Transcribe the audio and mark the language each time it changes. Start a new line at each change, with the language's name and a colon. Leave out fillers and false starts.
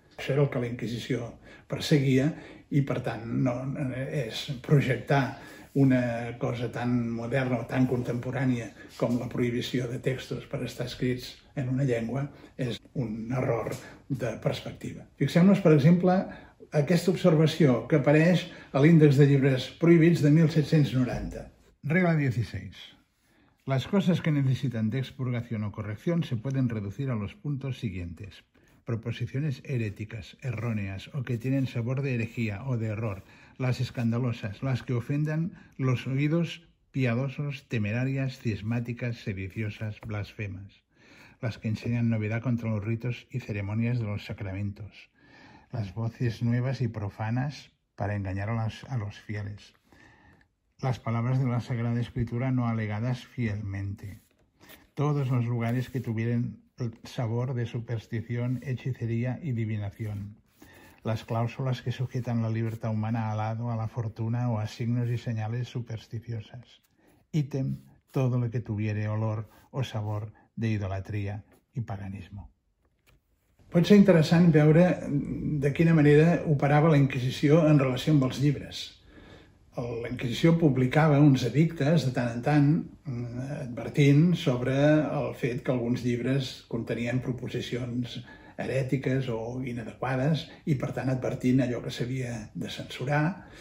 Catalan: Això era el que la Inquisició perseguia i, per tant, no és projectar una cosa tan moderna o tan contemporània com la prohibició de textos per estar escrits en una llengua és un error de perspectiva. Fixem-nos, per exemple, aquesta observació que apareix a l'índex de llibres prohibits de 1790. Regla 16.
Spanish: Las cosas que necesitan de expurgación o corrección se pueden reducir a los puntos siguientes. Proposiciones heréticas, erróneas o que tienen sabor de herejía o de error. Las escandalosas, las que ofendan los oídos piadosos, temerarias, cismáticas, sediciosas, blasfemas. Las que enseñan novedad contra los ritos y ceremonias de los sacramentos. Las voces nuevas y profanas para engañar a los fieles. Las palabras de la Sagrada Escritura no alegadas fielmente. Todos los lugares que tuvieran sabor de superstición, hechicería y divinación. Las cláusulas que sujetan la libertad humana al hado, a la fortuna o a signos y señales supersticiosas. Ítem, todo lo que tuviere olor o sabor de idolatría y paganismo.
Catalan: Pot ser interessant veure de quina manera operava la Inquisició en relació amb els llibres. La Inquisició publicava uns edictes de tant en tant advertint sobre el fet que alguns llibres contenien proposicions herètiques o inadequades i, per tant, advertint allò que s'havia de censurar.